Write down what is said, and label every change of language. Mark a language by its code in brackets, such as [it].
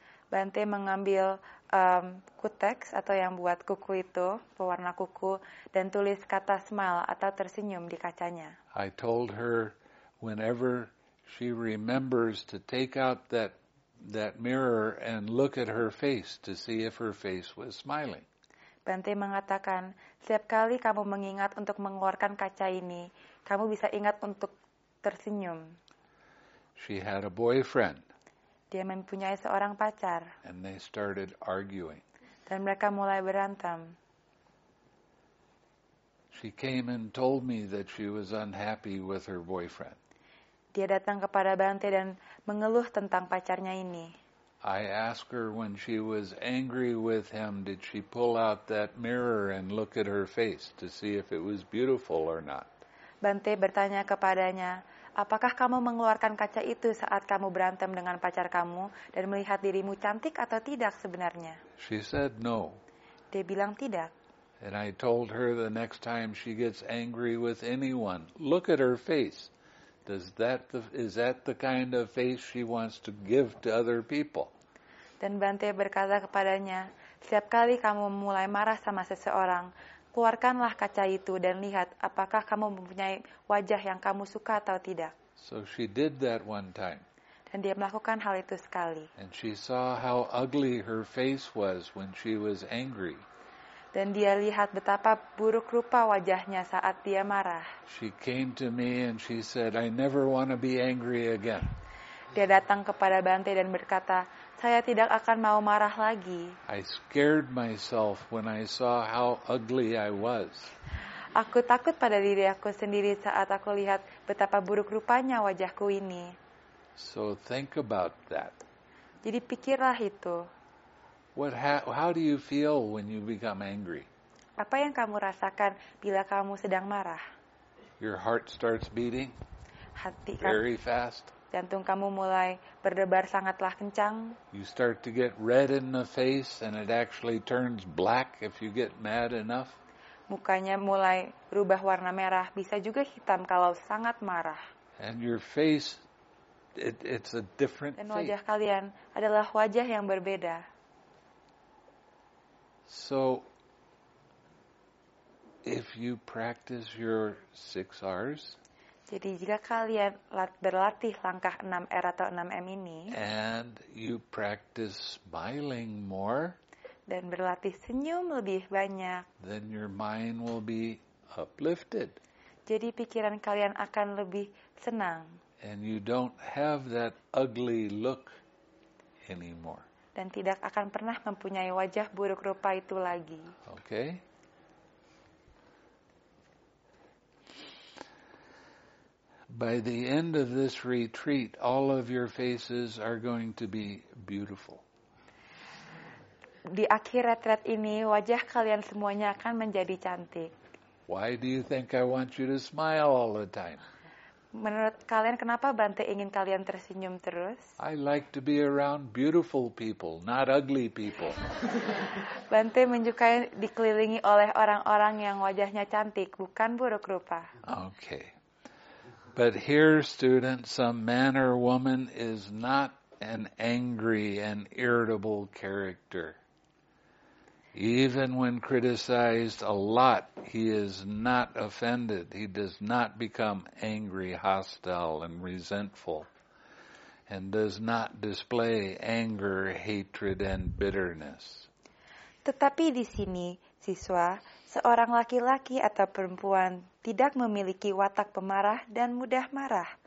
[id] Bante mengambil kuteks atau yang buat kuku itu, pewarna kuku, dan tulis kata smile atau tersenyum di kacanya. [en] I told her whenever She remembers to take out that mirror and look at her face to see if her face was smiling. [id] Bante mengatakan, setiap kali kamu mengingat untuk mengeluarkan kaca ini, kamu bisa ingat untuk tersenyum. [en] She had a boyfriend. [id] Dia mempunyai seorang pacar. [en] And they started arguing. [id] Dan mereka mulai berantem. [en] She came and told me that she was unhappy with her boyfriend. [id] Dia datang kepada Bante dan mengeluh tentang pacarnya ini. [en] I asked her when she was angry with him, did she pull out that mirror and look at her face to see if it was beautiful or not? [id] Bante bertanya kepadanya, apakah kamu mengeluarkan kaca itu saat kamu berantem dengan pacar kamu dan melihat dirimu cantik atau tidak sebenarnya? [en] She said no. [id] Dia bilang tidak. [en] And I told her the next time she gets angry with anyone, look at her face. Is that the kind of face she wants to give to other people? [id] Dan Bante berkata kepadanya, setiap kali kamu mulai marah sama seseorang, keluarkanlah kaca itu dan lihat apakah kamu mempunyai wajah yang kamu suka atau tidak. [en] So she did that one time. [id] Dan dia melakukan hal itu sekali. [en] And she saw how ugly her face was when she was angry. [id] Dan dia lihat betapa buruk rupa wajahnya saat dia marah. [en] She came to me and she said, I never want to be angry again. [id] Dia datang kepada Bante dan berkata, saya tidak akan mau marah lagi. [en] I scared myself when I saw how ugly I was. [id] Aku takut pada diri aku sendiri saat aku lihat betapa buruk rupanya wajahku ini. [en] So think about that. [id] Jadi pikirlah itu. [en] How do you feel when you become angry? [id] Apa yang kamu rasakan bila kamu sedang marah? [en] Your heart starts beating. [id] Hati [en] very fast. [id] Jantung kamu mulai berdebar sangatlah kencang. [en] You start to get red in the face and it actually turns black if you get mad enough. [id] Mukanya mulai berubah warna merah, bisa juga hitam kalau sangat marah. [en] And your face it's a different face. [id] Dan wajah kalian adalah wajah yang berbeda. [en] So, if you practice your 6 R's, [id] jadi jika kalian berlatih langkah 6 R atau 6 M ini, [en] and you practice smiling more, [id] dan berlatih senyum lebih banyak, [en] then your mind will be uplifted. [id] Jadi pikiran kalian akan lebih senang. [en] And you don't have that ugly look anymore. [id] Dan tidak akan pernah mempunyai wajah buruk rupa itu lagi. [en] Okay. By the end of this retreat, all of your faces are going to be beautiful. [id] Di akhir retret ini, wajah kalian semuanya akan menjadi cantik. [en] Why do you think I want you to smile all the time? [id] Menurut kalian, kenapa Bante ingin kalian tersenyum terus? [en] I like to be around beautiful people, not ugly people. [id] Bante menyukai dikelilingi oleh orang-orang yang wajahnya cantik, bukan buruk rupa. [en] Okay. But here, student, some man or woman is not an angry and irritable character. Even when criticized a lot, he is not offended. He does not become angry, hostile, and resentful, and does not display anger, hatred, and bitterness. [id] Tetapi di sini, siswa, seorang laki-laki atau perempuan tidak memiliki watak pemarah dan mudah marah.